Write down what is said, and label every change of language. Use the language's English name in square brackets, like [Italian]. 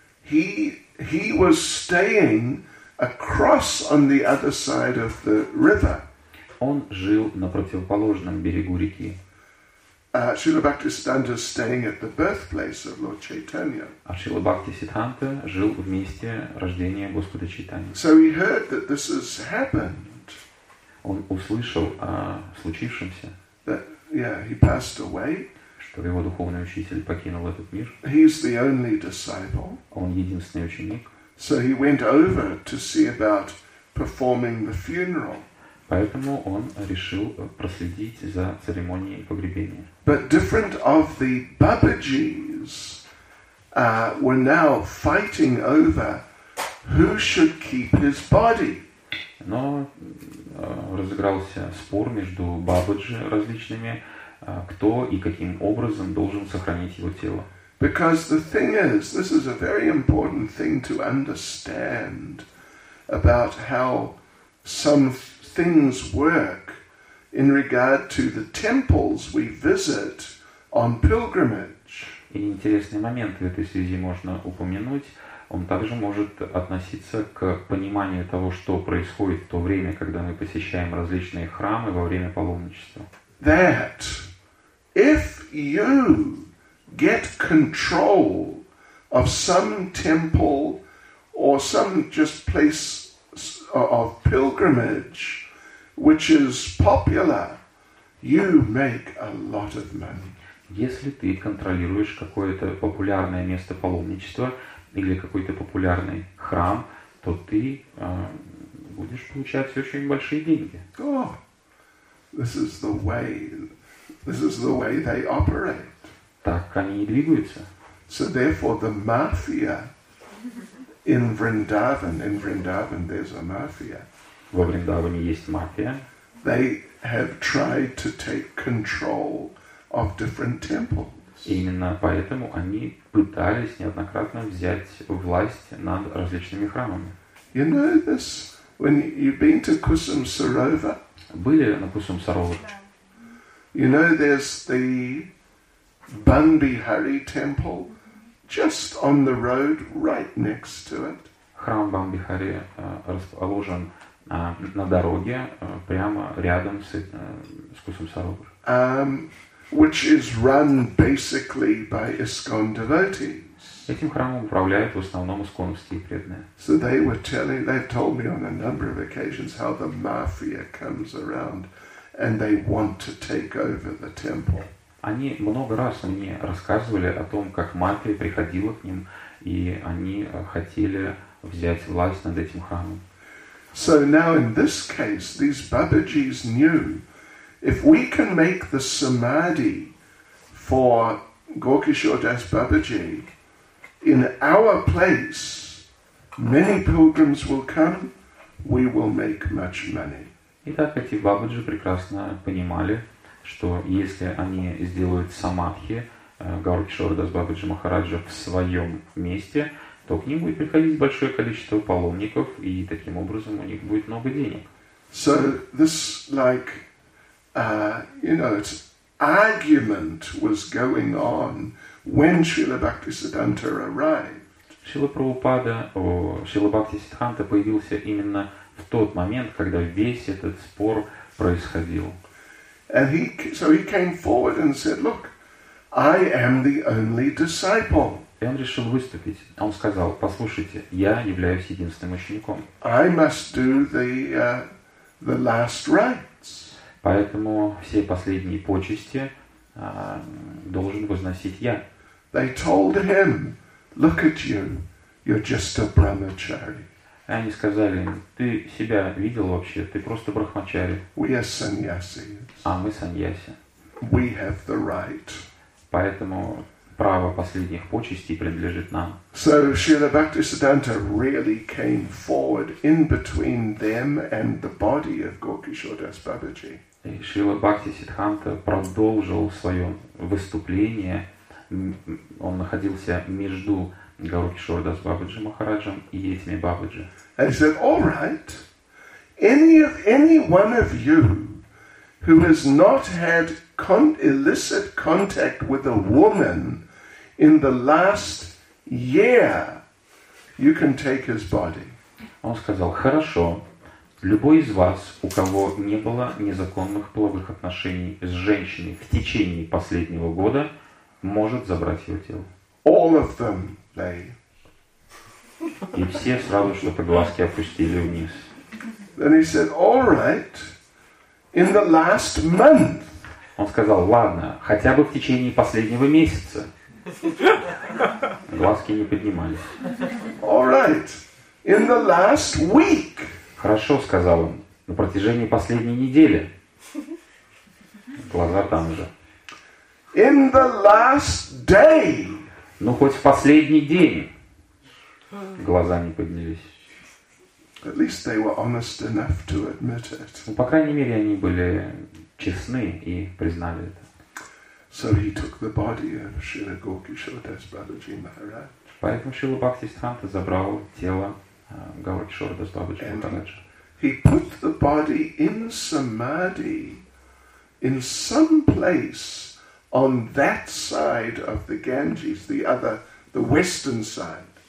[English] So he was staying across on the other side of the river. [Russian] Он жил на противоположном берегу реки. [English] Srila Bhakti Siddhanta is staying at the birthplace of Lord Chaitanya. [Russian] А Srila Bhakti Siddhanta жил в месте рождения Господа Чайтаньи. [English] So he heard that this has happened. [Russian] Он услышал о случившемся. [English] That, yeah, he passed away. [Russian] Что его духовный учитель покинул этот мир. [English] He's the only disciple. [Russian] Он единственный ученик. [English] So he went over to see about performing the funeral. [Russian] Поэтому он решил проследить за церемонией погребения. [English] But different of the Babaji's were now fighting over who should keep his body. [Russian] Но разыгрался спор между Бабаджи различными, кто и каким образом должен сохранить его тело. [English] Because the thing is, this is a very important thing to understand about how some things work in regard to the temples we visit on pilgrimage. [Russian] И интересный момент в этой связи можно упомянуть. Он также может относиться к пониманию того, что происходит в то время, когда мы посещаем различные храмы во время паломничества. [English] That if you get control of some temple or some just place of pilgrimage, which is popular, you make a lot of money. [Russian] Если ты контролируешь какое-то популярное место паломничества или какой-то популярный храм, то ты будешь получать очень большие деньги. [English] Oh, this is the way they operate. [Russian] Так они и двигаются. [English] So therefore the mafia in Vrindavan there's a mafia. [Russian] Во Вриндаване есть мафия. [English] They have tried to take control of different temples. [Russian] Именно поэтому они пытались неоднократно взять власть над различными храмами. [English] You know this? When you've been to Kusum Sarova? [Russian] Были на Кусум Сарова? [English] You know there's the Banbihari temple just on the road right next to it. [Russian] Храм Банбихари расположен на дороге прямо рядом с Кусум Сарова. [English] Which is run basically by ISKCON devotees. [Russian] Этим храмом управляют в основном исконские преданные. [English] So they were telling, they've told me on a number of occasions how the mafia comes around and they want to take over the temple. [Russian] Они много раз мне рассказывали о том, как мафия приходила к ним, и они хотели взять власть над этим храмом. [English] So now in this case, these Babaji's knew, if we can make the samadhi for Gaurakishore Das Babaji in our place, many pilgrims will come, we will make much money. [Russian] Итак, эти Бабаджи прекрасно понимали, что если они сделают самадхи Гаурикишора Дас Бабаджи Махараджа в своем месте, то к ним будет приходить большое количество паломников, и таким образом у них будет много денег. [English] So this, like, you know, argument was going on When Srila Bhaktisiddhanta arrived, [Russian] Srila Prabhupada, Srila Bhaktisiddhanta появился именно в тот момент, когда весь этот спор происходил. [English] And he, so he came forward and said, "Look, I am the only disciple." [Russian] И он решил выступить. Он сказал: "Послушайте, я являюсь единственным учеником." [English] I must do the last rites. [Russian] Поэтому все последние почести должен возносить я. [English] They told him, "Look at you, you're just a brahmachari." [Russian] И они сказали: "Ты себя видел вообще? Ты просто брахмачари." [English] We are sannyasis. [Russian] А мы саньяси. [English] We have the right. [Russian] Поэтому право последних почестей принадлежит нам. [English] So Srila Bhaktisiddhanta really came forward in between them and the body of Gaur-Kishore Das Babaji. [Russian] И Шрила Бхактисиддханта продолжил свое выступление. Он находился между Гаур-Кишор Дас Бабаджи Махараджем и этими Бабаджи. [English] And he said, "All right, any one of you who has not had illicit contact with a woman in the last year, you can take his body." [Russian] Он сказал: "Хорошо, любой из вас, у кого не было незаконных половых отношений с женщиной в течение последнего года, может забрать его тело." [English] All of them, they. [Russian] И все сразу что-то глазки опустили вниз. [English] Then he said, "All right, in the last month." [Russian] Он сказал: "Ладно, хотя бы в течение последнего месяца." Глазки не поднимались. [English] All right, in the last week. [Russian] Хорошо, сказал он, на протяжении последней недели. Глаза там же. [English] In the last day. [Russian] Ну, хоть в последний день. Глаза не поднялись. [English] At least they were honest enough to admit it. [Russian] Ну, по крайней мере, они были честны и признали это. [English] So he took the body of Srila Gaur-Kishore Das Babaji Maharaj. [Russian] Поэтому Шрила Бхактисиддханта забрал тело Гаур-Кишора Дас Бабаджи Махараджа. [English] He put the body in samadhi in some place on that side of the Ganges, the western side.